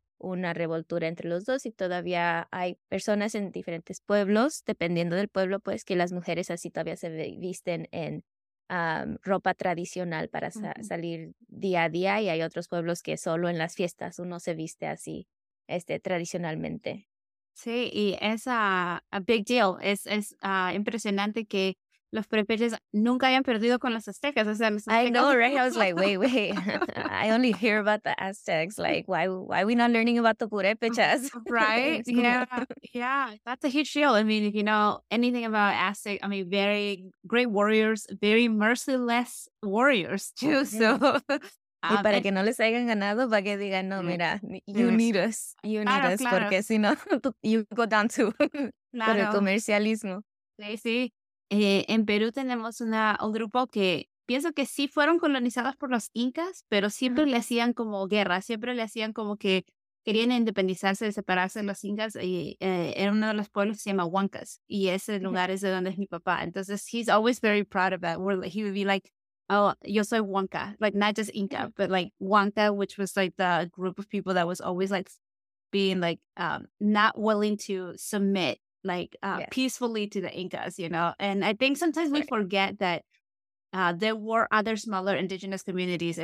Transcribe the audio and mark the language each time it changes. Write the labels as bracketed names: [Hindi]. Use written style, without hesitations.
[Spanish] una revoltura entre los dos, y todavía hay personas en diferentes pueblos, dependiendo del pueblo, pues, que las mujeres así todavía se visten en ropa tradicional para salir día a día, y hay otros pueblos que solo en las fiestas uno se viste así, tradicionalmente. Sí, y es [English] a big deal. [Spanish] Es impresionante que los purépechas nunca hayan perdido con los aztecas. O sea, [English] I know, right? I was like, wait. I only hear about the Aztecs. Like, why are we not learning about the purépechas? Right? Yeah, that's a huge deal. I mean, if you know anything about Aztec, I mean, very great warriors, very merciless warriors too. So, [Spanish] y para que no les hayan ganado, para que digan, no, mira, [English] you need us, [Spanish] porque si no, [English] you go down too. [Spanish] Claro. Por el comercialismo. Sí. En Perú tenemos un grupo que pienso que sí fueron colonizados por los incas, pero siempre le hacían como guerra, siempre le hacían como que querían independizarse, separarse de los incas, y era uno de los pueblos que se llama Huancas, y ese lugar es de donde es mi papá. [English] Entonces, he's always very proud of that. He would be like, oh, [Spanish] yo soy Huanca, [English] like not just Inca, but like Huanca, which was like the group of people that was always like being like not willing to submit like peacefully to the Incas, you know? And I think sometimes we forget that there were other smaller indigenous communities.